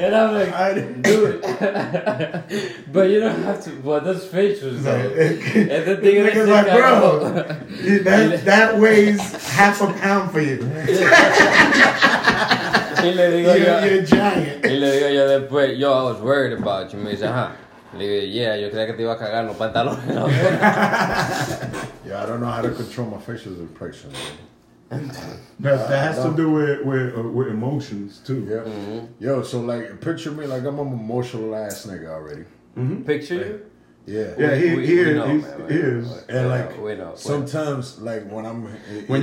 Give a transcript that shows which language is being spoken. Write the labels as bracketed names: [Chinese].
[English] And I'm like, I didn't do it. But you don't have to. But those features, no, though. And the thing is, like, bro, that weighs half a pound for you. You're a giant. [Spanish] Y le digo yo después, yo, [English] I was worried about you. [Spanish] Me dice, ajá. Le digo, yeah, yo creía que te iba a cagar los pantalones. [English] Yeah, I don't know how to control my facial expression. That has to do with emotions too. Yeah. Mm-hmm. Yo, so like, picture me like I'm an emotional ass nigga already. Mm-hmm. Picture you? Sometimes, when